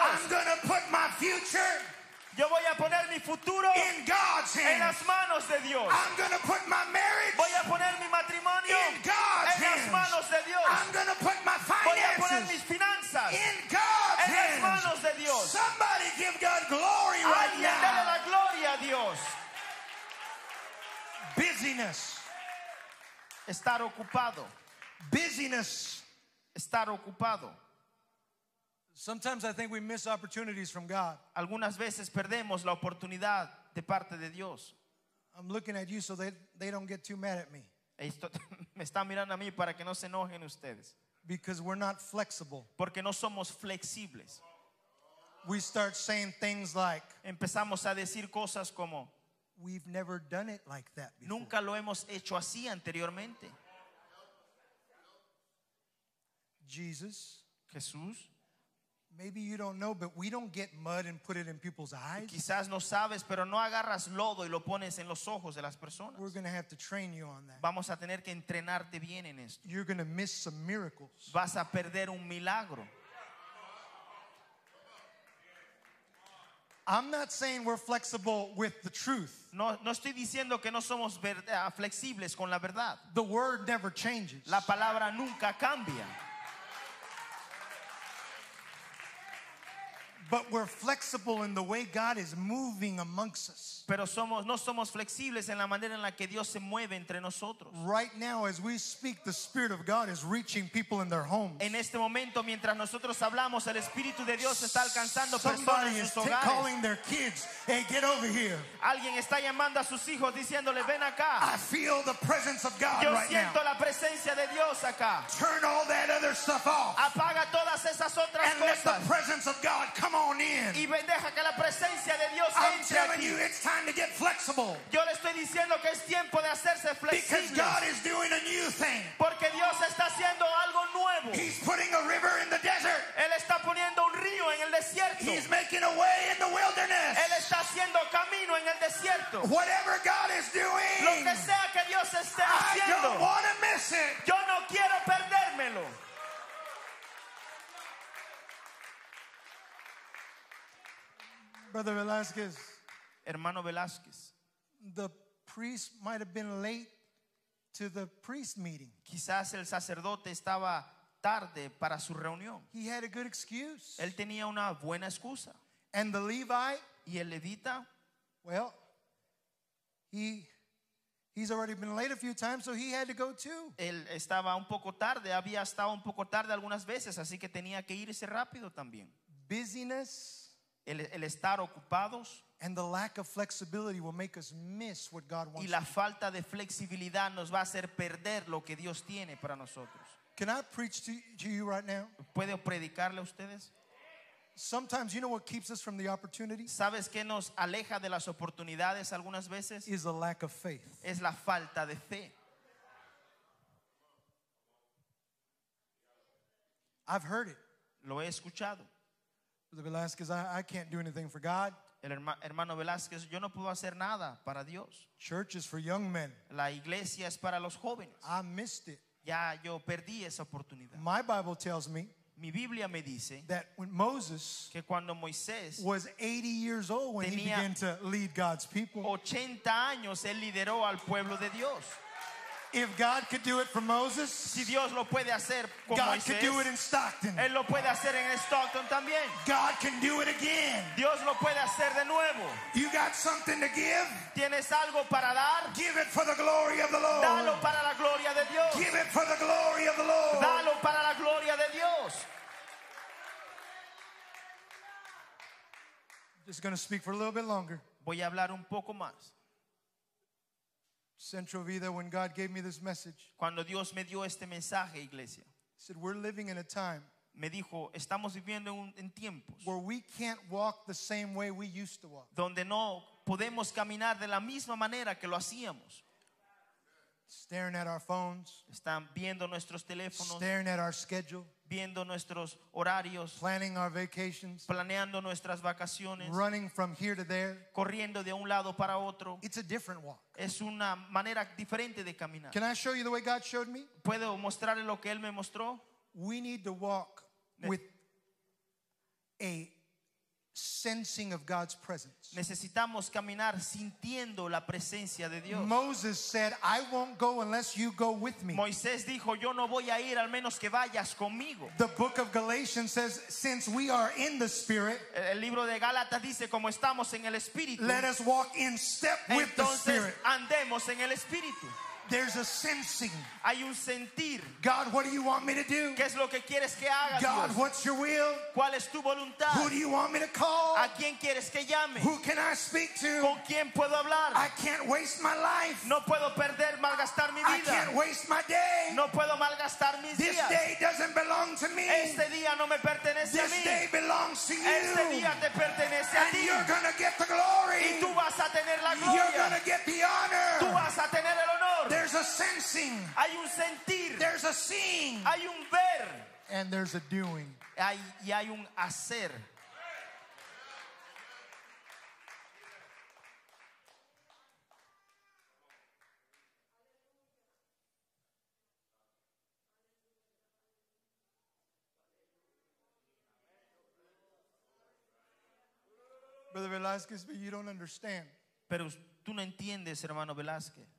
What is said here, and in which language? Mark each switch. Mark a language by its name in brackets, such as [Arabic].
[English] I'm going to put my future. [Spanish] Yo voy a poner mi futuro [English] in God's hands. [Spanish] En las manos de Dios. [English] I'm going to put my marriage. [Spanish] Voy a poner mi matrimonio [English] in God's [Spanish] en las manos de Dios. [English] I'm going to put my finances. [Spanish] Voy a poner mis finanzas [English] in God's [Spanish] en las manos de Dios. [English] Somebody give God glory right [Spanish] now. Dale la gloria a Dios. [English] Busyness. [Spanish] Estar ocupado. [English] Busyness. [Spanish] Estar ocupado. [English] Sometimes I think we miss opportunities from God. [Spanish] Algunas veces perdemos la oportunidad de parte de Dios. [English] I'm looking at you so they don't get too mad at me. [Spanish] Me está mirando a mí para que no se enojen ustedes. [English] Because we're not flexible. [Spanish] Porque no somos flexibles. [English] We start saying things like. [Spanish] Empezamos a decir cosas como. [English] We've never done it like that before. [Spanish] Nunca lo hemos hecho así anteriormente. [English] Jesus. [Spanish] Jesús. [English] Maybe you don't know, but we don't get mud and put it in people's eyes. [Spanish] Quizás no sabes, pero no agarras lodo y lo pones en los ojos de las personas. [English] We're going to have to train you on that. [Spanish] Vamos a tener que entrenarte bien en esto. [English] You're going to miss some miracles. [Spanish] Vas a perder un milagro. [English] I'm not saying we're flexible with the truth. [Spanish] No estoy diciendo que no somos flexibles con la verdad. [English] The word never changes. [Spanish] La palabra nunca cambia. [English] But we're flexible in the way God is moving amongst us. [Spanish] Pero no somos flexibles en la manera en la que Dios se mueve entre nosotros. [English] Right now, as we speak, the Spirit of God is reaching people in their homes. [Spanish] En este momento, mientras nosotros hablamos, el Espíritu de Dios está alcanzando personas en sus hogares. [English] Somebody is calling their kids, "Hey, get over here." [Spanish] Alguien está llamando a sus hijos diciéndole, "Ven acá." [English] I feel the presence of God right now. [Spanish] Yo siento la presencia de Dios acá. [English] Turn all that other stuff off. [Spanish] Apaga todas esas otras cosas. [English] And let the presence of God come. [Spanish] Y deja que la presencia de Dios entre. [English] I'm telling you, it's time to get flexible. [Spanish] Yo le estoy diciendo que es tiempo de hacerse flexible. [English] Because God is doing a new thing. [Spanish] Porque Dios está haciendo algo nuevo. [English] He's putting a river in the desert. [Spanish] Él está poniendo un río en el desierto. [English] He's making a way in the wilderness. [Spanish] Él está haciendo camino en el desierto. [English] Whatever God is doing. [Spanish] Lo que sea que Dios esté haciendo. [English] I don't want to miss it. [Spanish] Yo no quiero perdérmelo. [English] Brother Velázquez, [Spanish] hermano Velázquez, [English] the priest might have been late to the priest meeting. [Spanish] Quizás el sacerdote estaba tarde para su reunión. [English] He had a good excuse. [Spanish] Él tenía una buena excusa. [English] And the Levite, [Spanish] y el levita, [English] well, he's already been late a few times, so he had to go too. [Spanish] Él estaba un poco tarde, había estado un poco tarde algunas veces, así que tenía que irse rápido también. [English] Busyness. [Spanish] El estar ocupados. [English] And the lack of flexibility will make us miss what God wants. [Spanish] Y la falta de flexibilidad nos va a hacer perder lo que Dios tiene para nosotros. [English] Can I preach to you right now? [Spanish] ¿Puedo predicarle a ustedes? [English] Sometimes you know what keeps us from the opportunity? [Spanish] ¿Sabes qué nos aleja de las oportunidades algunas veces? [English] Is the lack of faith. [Spanish] Es la falta de fe. [English] I've heard it. [Spanish] Lo he escuchado. [English] The Velázquez, I can't do anything for God. [Spanish] El hermano Velázquez, yo no puedo hacer nada para Dios. [English] Church is for young men. [Spanish] La iglesia es para los jóvenes. [English] I missed it. [Spanish] Ya yo perdí esa oportunidad. [English] My Bible tells me. [Spanish] Mi Biblia me dice [English] that when Moses, [Spanish] que cuando Moisés [English] was 80 years old when he began to lead God's people. [Spanish] 80 años él lideró al pueblo de Dios. [English] If God could do it for Moses, [Spanish] si Dios lo puede hacer con [English] God [Spanish] Moisés, [English] could do it in Stockton. [Spanish] Él lo puede hacer en Stockton también. [English] God can do it again. [Spanish] Dios lo puede hacer de nuevo. [English] You got something to give? [Spanish] ¿Tienes algo para dar? [English] Give it for the glory of the Lord. [Spanish] Dalo para la gloria de Dios. [English] Give it for the glory of the Lord. [Spanish] Dalo para la gloria de Dios. [English] Just going to speak for a little bit longer. [Spanish] Voy a hablar un poco más. [English] Central Vida, when God gave me this message, [Spanish] cuando Dios me dio este mensaje, iglesia, [English] said we're living in a time, [Spanish] me dijo, estamos viviendo en tiempos, [English] where we can't walk the same way we used to walk, [Spanish] donde no podemos caminar de la misma manera que lo hacíamos. [English] Staring at our phones. [Spanish] Están viendo nuestros teléfonos. [English] Staring at our schedule. [Spanish] Viendo nuestros horarios. [English] Planning our vacations. [Spanish] Planeando nuestras vacaciones. [English] Running from here to there. [Spanish] Corriendo de un lado para otro. [English] It's a different walk. [Spanish] Es una manera diferente de caminar. [English] Can I show you the way God showed me? [Spanish] ¿Puedo mostrarle lo que él me mostró? [English] We need to walk with a sensing of God's presence. [Spanish] Necesitamos caminar sintiendo la presencia de Dios. [English] Moses said, "I won't go unless you go with me." [Spanish] Moisés dijo, "Yo no voy a ir al menos que vayas conmigo." [English] The book of Galatians says, "Since we are in the Spirit," [Spanish] el libro de Gálatas dice, "como estamos en el Espíritu," [English] "let us walk in step with the Spirit." [Spanish] Entonces andemos en el Espíritu. [English] There's a sensing. [Spanish] Hay un sentir. [English] God, what do you want me to do? [Spanish] ¿Qué es lo que quieres que haga, Dios? [English] God, what's your will? [Spanish] ¿Cuál es tu voluntad? [English] Who do you want me to call? [Spanish] ¿A quién quieres que llame? [English] Who can I speak to? [Spanish] ¿Con quién puedo hablar? [English] I can't waste my life. [Spanish] No puedo perder, malgastar mi vida. [English] I can't waste my day. [Spanish] No puedo malgastar mis días. [English] This day doesn't belong to me. [Spanish] Este día no me pertenece a mí. [English] This day belongs to you. [Spanish] Este día te pertenece a ti. [English] And you're gonna get the glory. [Spanish] Y tú vas a tener la gloria. [English] You're gonna get the honor. [Spanish] Tú vas a tener el honor. [English] There's a sensing. [Spanish] Hay un sentir. [English] There's a seeing. [Spanish] Hay un ver. [English] And there's a doing. [Spanish] Y hay un hacer. [English] Brother Velázquez, but you don't understand. [Spanish] Pero tú no entiendes, hermano Velázquez.